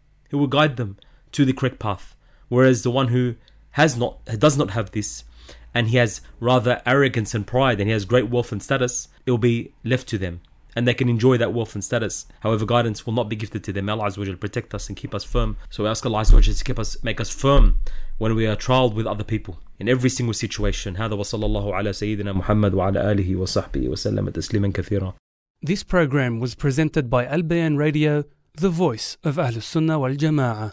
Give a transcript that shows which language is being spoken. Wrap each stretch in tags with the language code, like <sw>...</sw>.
<en>He will guide them to the correct path. Whereas the one who does not have this, and he has rather arrogance and pride, and he has great wealth and status, it will be left to them. And they can enjoy that wealth and status. However, guidance will not be gifted to them. May Allah Azza wa Jalla protect us and keep us firm. So we ask Allah Azza wa Jalla to make us firm when we are trialed with other people in every single situation.</en> <ar>هذا وصلى الله على سيدنا محمد وعلى آله وصحبه وسلم تسليما كثيرا.</ar> <en>This program was presented by Al Bayan Radio, the voice of Ahlus Sunnah wal Jama'ah.</en>